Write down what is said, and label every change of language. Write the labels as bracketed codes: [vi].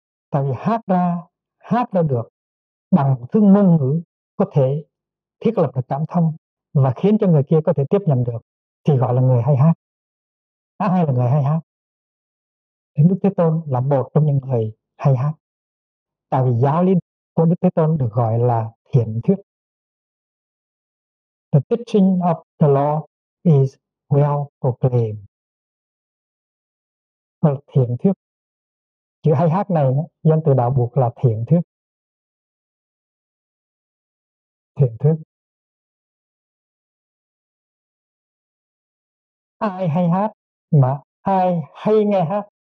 [vi] Tại vì hát ra được bằng thứ ngôn ngữ có thể thiết lập được cảm thông và khiến cho người kia có thể tiếp nhận được, thì gọi là người hay hát. Hay là người hay hát. Thì Đức Thế Tôn là một trong những người hay hát. Tại vì giáo lý của Đức Thế Tôn được gọi là thiện thuyết. [en] The teaching of the Lord is well proclaimed. [vi] Là thiện thuyết. Chữ hay hát này danh từ đạo buộc là thiện thuyết. Thiện thuyết. Ai hay hát mà ai hay nghe hát.